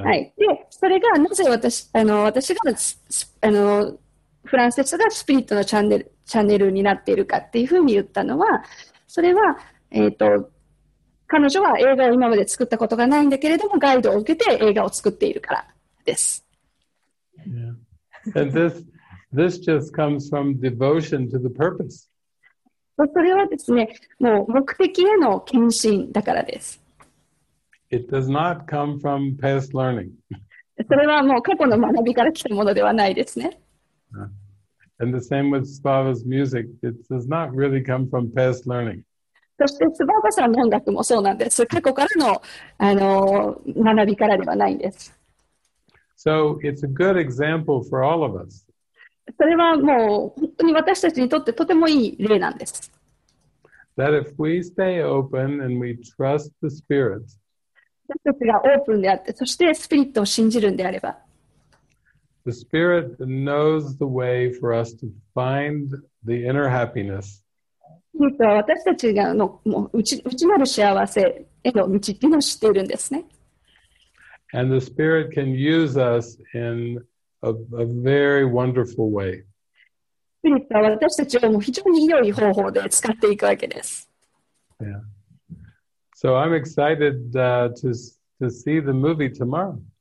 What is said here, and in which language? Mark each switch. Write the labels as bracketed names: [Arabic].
[Japanese] はい、でそれがなぜ私がフランセスがスピリットのチャンネルになっているかっていうふうに言ったのは、それは、彼女は映画を今まで作ったことがないんだけれども、ガイドを受けて映画を作っているからです。 [English] Yeah. And this just comes from devotion to the purpose. [Japanese] それはですね、もう目的への献身だからです。 [English] It does not come from past learning. [Japanese] それはもう過去の学びから来たものではないですね。 [English] And the same with Svava's music. It does not really come from past learning. [Japanese] そしてスバーバさんの音楽もそうなんです。過去からの、学びからではないんです。 [English] So it's a good example for all of us. [Japanese] それはもう本当に私たちにとってとてもいい例なんです。 [English] That if we stay open and we trust the Spirit, [Japanese] 私たちがオープンであって、そしてスピリットを信じるんであれば、 [English] The Spirit knows the way for us to find the inner happiness. [Japanese] 私たちがもう内なる幸せへの道っていうのを知っているんですね。 [English] And the Spirit can use us in a very wonderful way. Yeah. So I'm excited to see the movie tomorrow.